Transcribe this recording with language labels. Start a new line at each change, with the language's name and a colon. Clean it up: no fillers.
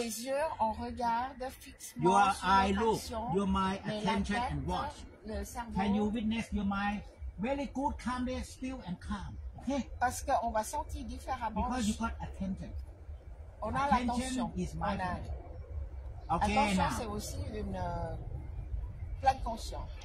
French: Les yeux, on regarde fixement.
English: Your eye look. Your mind. Attention and watch. Can you witness your mind very good, calm there, still and calm. Okay.
French: Parce que on va sentir différemment.
English: Because you got attention.
French: On a l'attention.
English: Is my a... Okay. Attention, now.
French: C'est aussi une pleine conscience.